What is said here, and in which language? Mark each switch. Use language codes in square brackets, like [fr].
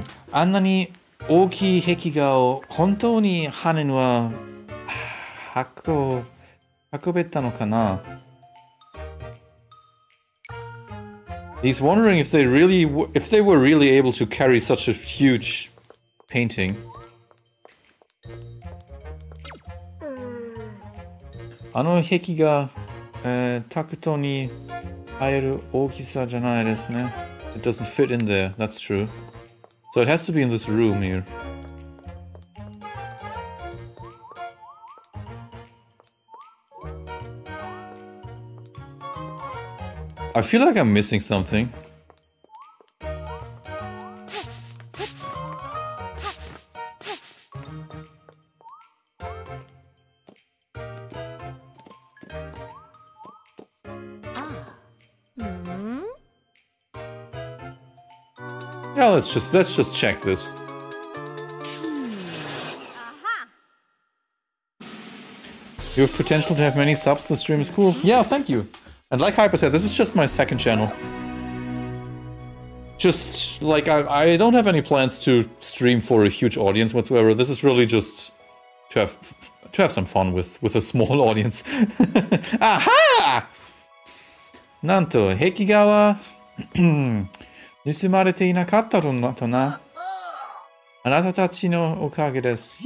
[ja] あんなに大きい壁画を本当に羽根は運べたのかな? [en] He's wondering if they were really able to carry such a huge painting. [ja] あの壁画、タクトに入る大きさじゃないですね。 [en] It doesn't fit in there, that's true. So it has to be in this room here. I feel like I'm missing something. Yeah, let's just check this. You have potential to have many subs, the stream is cool. Yeah, thank you. And like Hyper said, this is just my second channel. Just, like, I don't have any plans to stream for a huge audience whatsoever. This is really just to have some fun with a small audience. Aha! [ja] なんと、壁画は盗まれていなかったとな。あなたたちのおかげです。